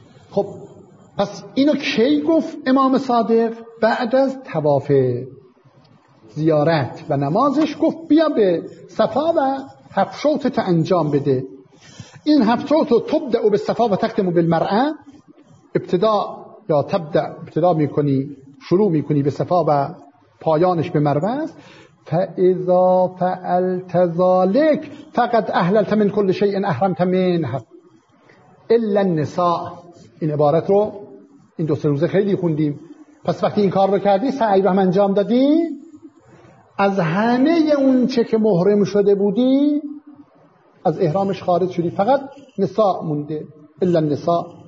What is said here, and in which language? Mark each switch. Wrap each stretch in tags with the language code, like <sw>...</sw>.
<fa>خب پس اینو کی گفت امام صادق؟ بعد از طواف زیارت و نمازش گفت بیا به صفا و هفت شوط تا انجام بده. این هفت شوط رو</fa> <ar>تبدأ به صفا و تختم بالمرآه،</ar> <fa>ابتدا یا تبدأ ابتدا میکنی، شروع میکنی به صفا و پایانش به مروه است.</fa> <ar>فاذا فعلت ذلك فقد اهللت من كل شيء احرمت منه الا النساء.</ar> <fa>این عبارت رو این دو سه روزه خیلی خوندیم. پس وقتی این کار رو کردی، سعی رو هم انجام دادی، از همه اون چه که محرم شده بودی از احرامش خارج شدی، فقط نساء مونده،</fa> <ar>الا النساء.</ar>